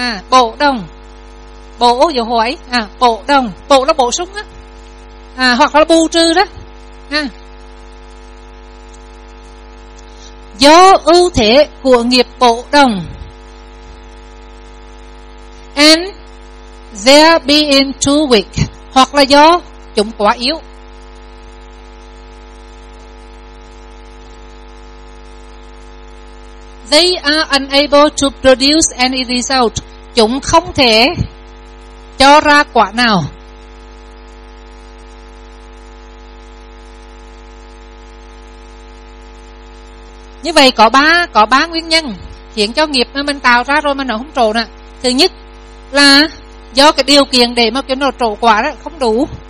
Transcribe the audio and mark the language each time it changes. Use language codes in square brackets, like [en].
[vi] Bổ đồng. Bổ dấu hỏi. Bổ đồng. Bổ là bổ sung á. Hoặc là bù trừ đó. Do ưu thế của nghiệp bổ đồng. [en] And there being too weak. [vi] hoặc là do chúng quá yếu. [en] They are unable to produce any result. [vi] Chúng không thể cho ra quả nào. Như vậy có ba nguyên nhân khiến cho nghiệp mà mình tạo ra rồi mà nó không trổ nè. Thứ nhất là do cái điều kiện để mà cái nó trổ quả đó không đủ.